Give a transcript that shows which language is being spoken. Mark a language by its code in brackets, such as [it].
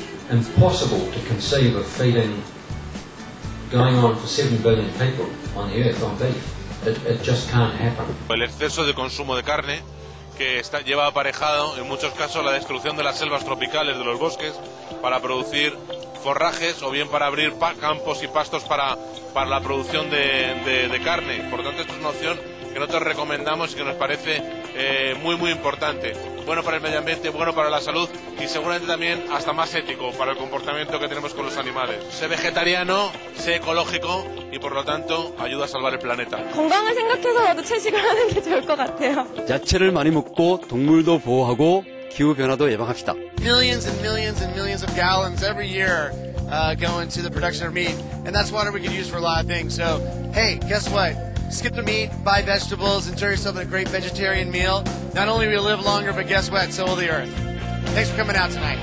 [en] Impossible to conceive of feeding going on for 7 billion people on the earth on beef. It just can't happen. [es] El exceso de consumo de carne que está lleva aparejado en muchos casos la destrucción de las selvas tropicales de los bosques para producir forrajes o bien para abrir campos y pastos para la producción de carne. Por tanto, esta es una opción que nosotros recomendamos y que nos parece muy muy importante. Bueno para el medio ambiente, bueno para la salud y seguramente también hasta más ético para el comportamiento que tenemos con los animales. Sé vegetariano, sé ecológico y por lo tanto ayuda a salvar el planeta. [ko] 건강을 생각해서라도 채식을 하는 게 좋을 것 같아요. 야채를 많이 먹고 동물도 보호하고 기후 변화도 예방합시다. [en] Millions and millions and millions of gallons every year go into the production of meat and that's water we can use for a lot of things. So hey, guess what? Skip the meat, buy vegetables, enjoy yourself in a great vegetarian meal. Not only will you live longer, but guess what? So will the Earth. Thanks for coming out tonight.